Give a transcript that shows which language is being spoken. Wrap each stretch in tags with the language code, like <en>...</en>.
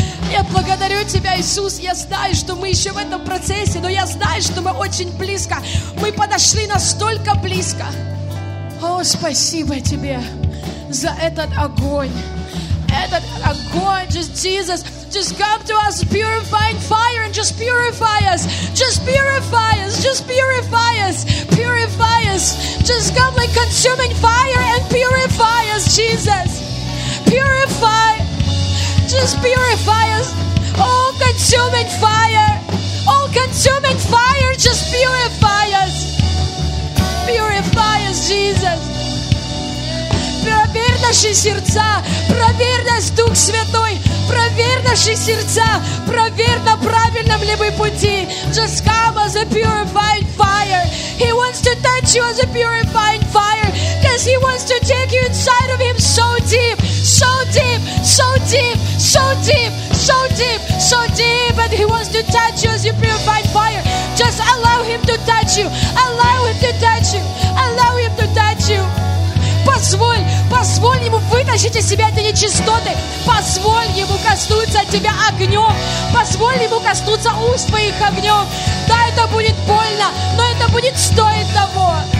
<ru>Я благодарю тебя, Иисус. Я знаю, что мы еще в этом процессе, но я знаю, что мы очень близко. Мы подошли настолько близко. О, спасибо тебе за этот огонь. Этот огонь, Jesus.</ru> <en>Just come to us, purifying fire, and just purify us. Just purify us, just purify us, purify us. Just come like consuming fire and purify us, Jesus. Purify, just purify us. Oh, consuming fire, oh, consuming fire, just purify us. Purify us, Jesus.</en> <ru>Проверь наши сердца, проверь нас, Дух Святой. Проверь наши сердца, проверь, на правильном ли мы пути.</ru> <en>Just come as a purifying fire. He wants to touch you as a purifying fire. Because He wants to take you inside of Him so deep, so deep, so deep, so deep, so deep, so deep. And He wants to touch you as a purifying fire. Just allow Him to touch you. Allow Him to touch you. Allow Him to touch you.</en> <ru>Позволь, позволь Ему вытащить из себя эти нечистоты. Позволь Ему коснуться тебя огнем. Позволь Ему коснуться уст твоих огнем. Да, это будет больно, но это будет стоить того.</ru>